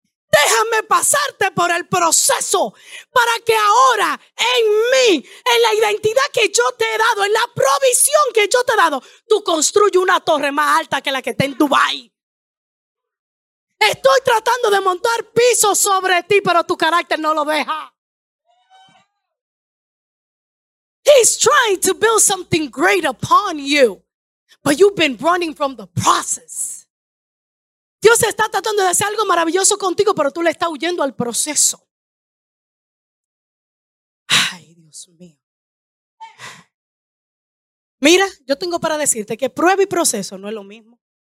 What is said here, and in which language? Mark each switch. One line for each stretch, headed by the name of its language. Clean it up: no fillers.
Spanish: Déjame pasarte por el proceso para que ahora en mí, en la identidad que yo te he dado, en la provisión que yo te he dado, tú construyas una torre más alta que la que está en Dubái. Estoy tratando de montar pisos sobre ti, pero tu carácter no lo deja.
English: He's trying to build something great upon you, but you've been running from the process.
Spanish: Dios está tratando de hacer algo maravilloso contigo, pero tú le estás huyendo al proceso. Ay, Dios mío. Mira, yo tengo para decirte que prueba y proceso no es lo mismo.